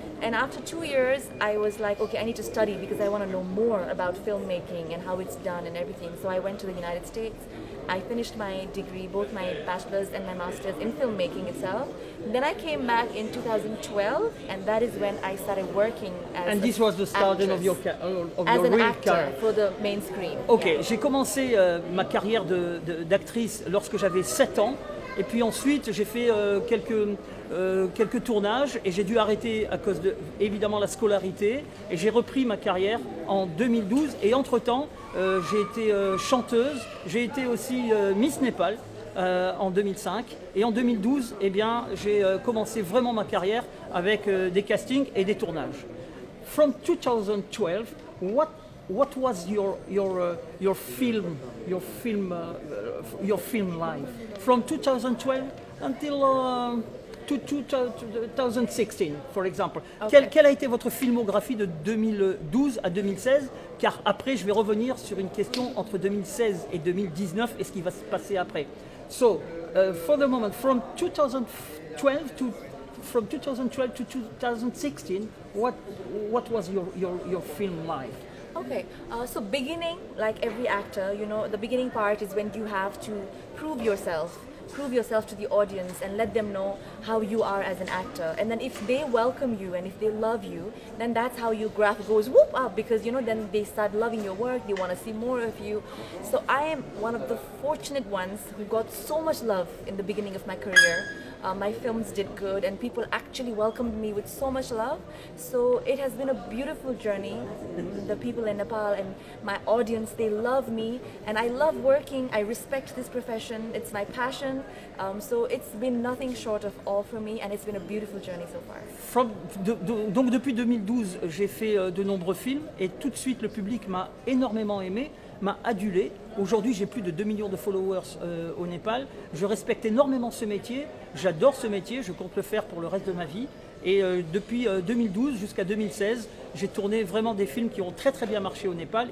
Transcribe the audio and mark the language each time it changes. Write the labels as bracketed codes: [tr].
[en] And after 2 years, I was like, okay, I need to study because I want to know more about filmmaking and how it's done and everything. So I went to the United States. I finished my degree, both my bachelor's and my master's in filmmaking itself. Then I came back in 2012, and that is when I started working as And this was the start of your of as your an real actor career. For the main screen. [fr] Okay, yeah. J'ai commencé ma carrière d'actrice lorsque j'avais 7 ans. Et puis ensuite, j'ai fait quelques tournages et j'ai dû arrêter à cause de, évidemment, la scolarité. Et j'ai repris ma carrière en 2012. Et entre-temps, j'ai été chanteuse. J'ai été aussi Miss Népal en 2005. Et en 2012, eh bien, j'ai commencé vraiment ma carrière avec des castings et des tournages. [en] From 2012, what was your film? Your film life from 2012 until to 2016, for example. Okay. [fr] Quelle a été votre filmographie de 2012 à 2016? Car après, je vais revenir sur une question entre 2016 et 2019 et ce qui va se passer après. [en] So, for the moment, from 2012 to from 2012 to 2016, what was your film life? Okay, so beginning, like every actor, you know, the beginning part is when you have to prove yourself prove yourself to the audience and let them know how you are as an actor. And then if they welcome you and if they love you, then that's how your graph goes whoop up, because you know, then they start loving your work, they want to see more of you. So I am one of the fortunate ones who got so much love in the beginning of my career. My films did good and people actually welcomed me with so much love. So it has been a beautiful journey. The people in Nepal and my audience, they love me and I love working. I respect this profession. It's my passion. So it's been nothing short of all for me and it's been a beautiful journey so far. [fr] Donc depuis 2012, j'ai fait de nombreux films et tout de suite le public m'a énormément aimé, m'a adulé. Aujourd'hui, j'ai plus de 2 millions de followers au Népal. Je respecte énormément ce métier. J'adore ce métier. Je compte le faire pour le reste de ma vie. Et depuis 2012 jusqu'à 2016, j'ai tourné vraiment des films qui ont très très bien marché au Népal.